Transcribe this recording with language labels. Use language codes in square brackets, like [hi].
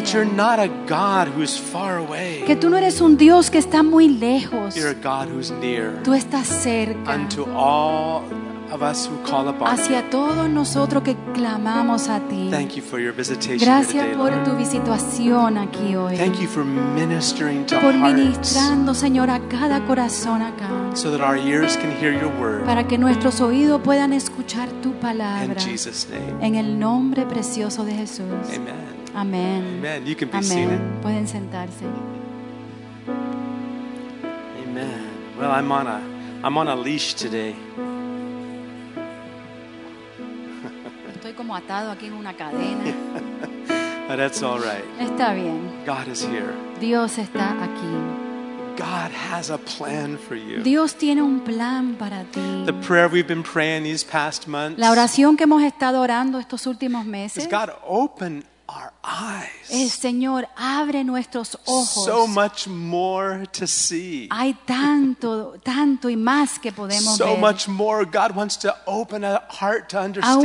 [en] That you're not a God who's far away. [es] Que tú no eres un Dios que está muy lejos. [en] You're a God who's near. [es] Tú estás cerca. [en] Unto all of us who call upon you. [es] Hacia todos nosotros que clamamos a ti. [en] Thank you for your visitation. [es] Gracias [en] today, [es] por [en] Lord. [es] Tu visitación aquí hoy. [en] Thank you for ministering to hearts. [es] Por ministrando, Señor, a cada corazón acá. [en] So that our ears can hear your word. [es] Para que nuestros oídos puedan escuchar tu palabra. [en] In Jesus' name. [es] En el nombre precioso de Jesús. [en] Amen. [es] Amen. [en] Amen. You can be Amen. Seated. [es] Pueden sentarse. [en] Amen. Well, I'm on a leash today. [es] Estoy como atado aquí en una cadena. [en] But that's all right. [es] Está bien. [en] God is here. [es] Dios está aquí. [en] God has a plan for you. [es] Dios tiene un plan para ti. [en] The prayer we've been praying these past months. [es] La oración que hemos estado orando estos últimos meses. [en] Is God open our eyes. [es] El Señor abre nuestros ojos. [en] So much more to see. [es] Hay tanto, tanto y más que podemos [en] so [es] ver. [en] So much more. God wants to open a heart to understand.